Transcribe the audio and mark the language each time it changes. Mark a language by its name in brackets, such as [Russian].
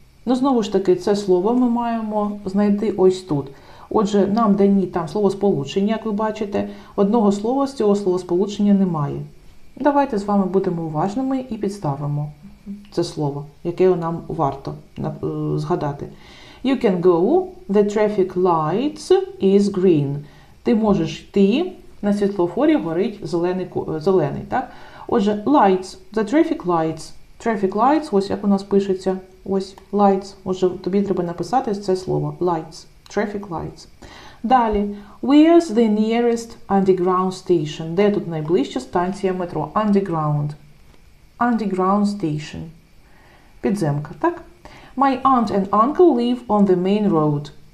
[Ukrainian] Ну, знову ж таки, це слово ми маємо знайти ось тут. Отже, нам дані там словосполучення, як ви бачите. Одного слова з цього словосполучення немає. Давайте з вами будемо уважними і підставимо це слово, яке нам варто згадати. [English] You can go, the traffic lights is green. [Ukrainian] Ти можеш йти, на світлофорі горить зелений, так? Отже, lights, [English] the traffic lights. Traffic lights, [Ukrainian] ось як у нас пишеться, ось, lights. Отже, тобі треба написати це слово, lights, traffic lights. Далі. [English] Where's the nearest underground station? [Ukrainian] Де тут найближча станція метро? [English] Underground. Underground station. [Ukrainian] Підземка, так? [English] My aunt and uncle live on the main road.